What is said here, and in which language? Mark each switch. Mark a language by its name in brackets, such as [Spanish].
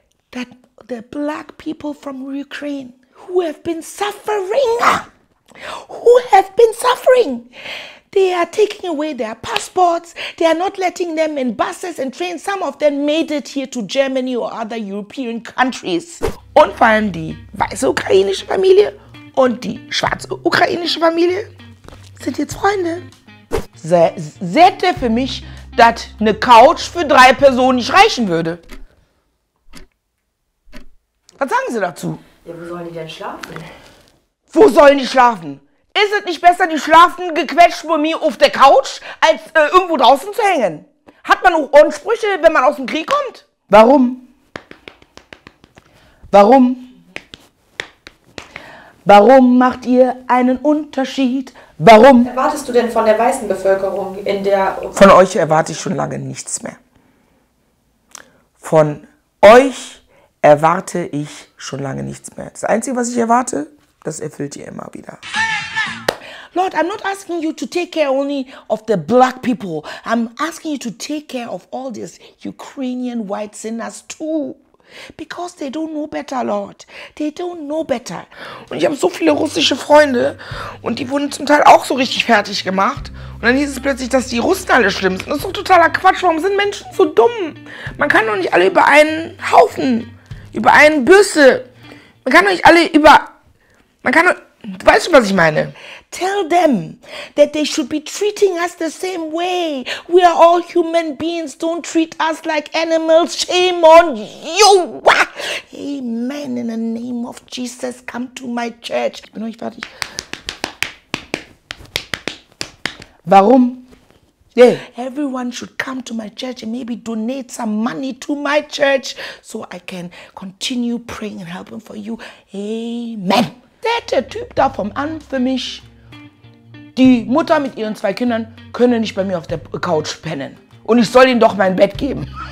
[English] That the black people from Ukraine who have been suffering, they are taking away their passports, they are not letting them in buses and trains. Some of them made it here to Germany or other European countries. [German] Und vor allem die weiße ukrainische Familie und die schwarze ukrainische Familie sind jetzt Freunde. Sette für mich, dass eine Couch für 3 Personen nicht reichen würde. Was sagen Sie dazu? Ja, wo sollen die denn schlafen? Wo sollen die schlafen? Ist es nicht besser, die schlafen gequetscht bei mir auf der Couch, als irgendwo draußen zu hängen? Hat man auch Ansprüche, wenn man aus dem Krieg kommt? Warum? Warum? Warum macht ihr einen Unterschied? Warum? Was erwartest du denn von der weißen Bevölkerung in der... Von euch erwarte ich schon lange nichts mehr. Von euch erwarte ich schon lange nichts mehr. Das Einzige, was ich erwarte, das erfüllt ihr immer wieder. [English] Lord, I'm not asking you to take care only of the black people. I'm asking you to take care of all these Ukrainian white sinners too. Because they don't know better, Lord. They don't know better. [German] Und ich habe so viele russische Freunde und die wurden zum Teil auch so richtig fertig gemacht. Und dann hieß es plötzlich, dass die Russen alle schlimm sind. Das ist doch totaler Quatsch. Warum sind Menschen so dumm? Man kann doch nicht alle über einen Haufen, über einen Büsse. Man kann doch nicht alle über... Man kann doch... Weißt du, was ich meine? [English] Tell them that they should be treating us the same way. We are all human beings. Don't treat us like animals. Shame on you. Amen. In the name of Jesus, come to my church. [German] Ich bin noch nicht fertig. Warum? [English] Yeah. Everyone should come to my church and maybe donate some money to my church so I can continue praying and helping for you. Amen. [German] Der Typ da vom An für mich, die Mutter mit ihren zwei Kindern können nicht bei mir auf der Couch pennen. Und ich soll ihnen doch mein Bett geben.